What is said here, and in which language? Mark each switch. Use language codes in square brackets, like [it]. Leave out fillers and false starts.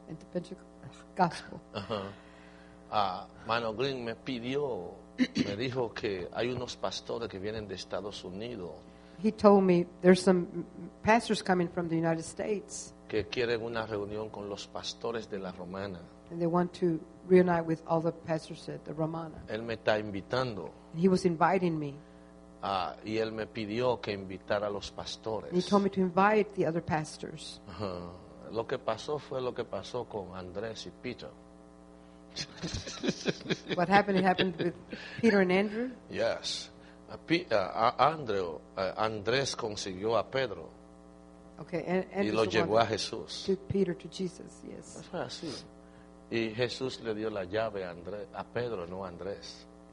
[en] At the Gospel. [es] Mano Green me pidió, me dijo que hay unos pastores que vienen de Estados Unidos. [en] He told me there's some pastors coming from the United States. [es] Que quieren una reunión con los pastores de la Romana. [en] And they want to reunite with all the pastors at the Romana. [es] Él me está invitando. [en] And he was inviting me. [es] Y él me pidió que invitara a los pastores. [en] And he told me to invite the other pastors. [es] Lo que pasó fue lo que pasó con Andrés y Peter. [en] What happened? It happened with Peter and Andrew. [es] Yes, Andrés consiguió a Pedro. [en] Okay, and [es] y lo llevó a Jesús. [en] To Peter, to Jesus. Yes. [es] Y Jesús le dio la llave a Pedro, no a Andrés.